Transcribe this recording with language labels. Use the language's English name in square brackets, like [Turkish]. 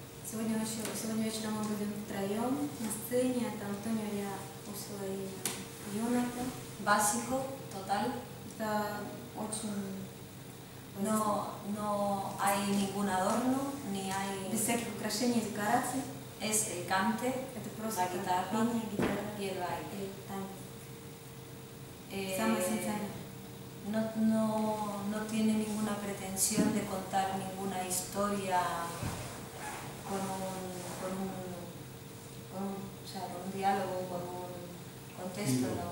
[Russian] Сегодня вечером мы будем втроем на сцене, это Антонио, я, Усула и Йонатан. [Spanish] Básico, total. [Russian] Это очень... [Spanish] No hay ningún adorno, ni hay... [Russian] Без всяких украшений и декораций. [Spanish] Es el cante, [Russian] это просто [Spanish] la guitarra, [Russian] пение, гитара, [Spanish] y el baile. El tango. [Russian] Самое сенсальное. [Spanish] No tiene ninguna pretensión de contar ninguna historia con un diálogo, con un contexto,